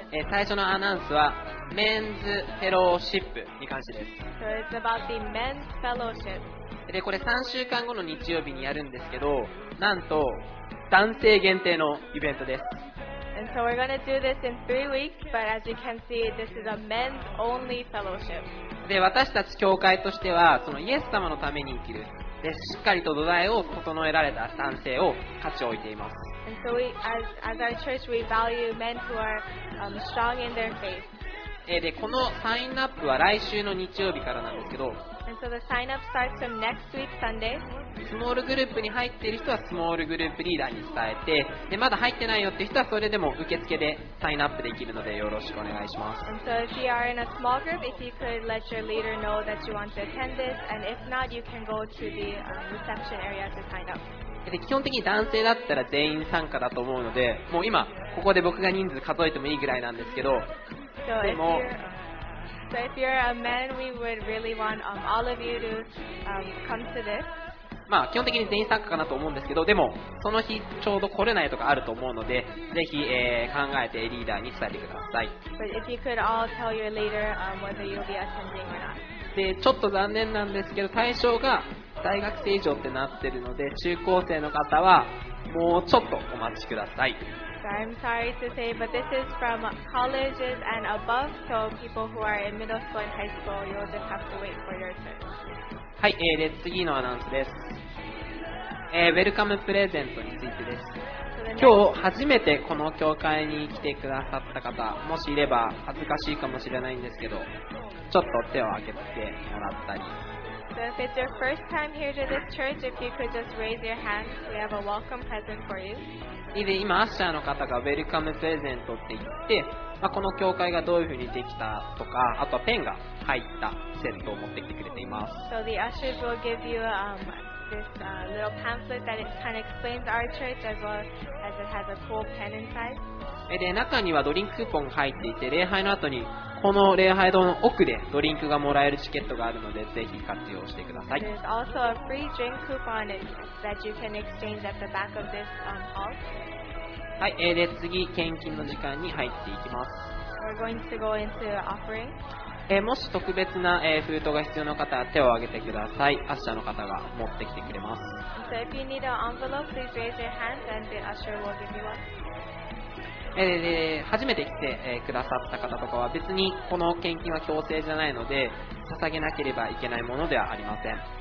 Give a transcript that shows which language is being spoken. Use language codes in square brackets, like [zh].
[ja] 最初のアナウンスはメンズフェローシップに関してです。 [en] So it's about the men's fellowship. [ja] でこれ3週間後の日曜日にやるんですけど、なんと男性限定のイベントです。 [en] And so we're gonna do this in three weeks, but as you can see, this is a men's only fellowship. [ja] で私たち教会としてはそのイエス様のために生きる。でしっかりと土台を整えられた男性を価値を置いています。 [en] And so we, as our church, we value men who are strong in their faith. [ja] でこのサインアップは来週の日曜日からなんですけど、 [en] And so the sign up starts from next week, Sunday. [ja] スモールグループに入っている人はスモールグループリーダーに伝えて、でまだ入ってないよって人はそれでも受付でサインアップできるのでよろしくお願いします。 [en] And so if you are in a small group, if you could let your leader know that you want to attend this, and if not, you can go to the reception area to sign up. [ja] で基本的に男性だったら全員参加だと思うので、もう今ここで僕が人数数えてもいいぐらいなんですけど、 [en] so、でも、so if you're a man, we would really want all of you to come to this。 [ja] まあ基本的に全員参加かなと思うんですけど、でもその日ちょうど来れないとかあると思うので、ぜひ、考えてリーダーに伝えてください。 [en] But if you could all tell your leader whether you'll be attending or not。 [ja] でちょっと残念なんですけど対象が大学生以上ってなってるので中高生の方はもうちょっとお待ちください。 [en] So、I'm sorry to say, but this is from colleges and above, so people who are in middle school and high school, you'll just have to wait for your turn. [ja] はい、で次のアナウンスです。ウェルカムプレゼントについてです。今日初めてこの教会に来てくださった方もしいれば恥ずかしいかもしれないんですけど、ちょっと手を挙げてもらったり。 [en] So if it's your first time here to this church, if you could just raise your hand, we have a welcome present for you. [ja] で今アッシャーの方がウェルカムプレゼントって言って、まあ、この教会がどういう風にできたとか、あとはペンが入ったセットを持ってきてくれています。 [en] So the ushers will give you this little pamphlet that it kind of explains our church as well as it has a cool pen inside. [ja] で中にはドリンククーポンが入っていて、礼拝の後にこの礼拝堂の奥でドリンクがもらえるチケットがあるのでぜひ活用してください。 [en] There's also a free drink coupon that you can exchange at the back of this hall. [ja] はい、で次献金の時間に入っていきます。 [en] We're going to go into offering. [ja] もし特別な、封筒が必要な方は手を挙げてください。アッシャーの方が持ってきてくれます。 [en] So if you need an envelope, please raise your hand and the usher will give you one. [ja] 初めて来て、くださった方とかは別にこの献金は強制じゃないので捧げなければいけないものではありません。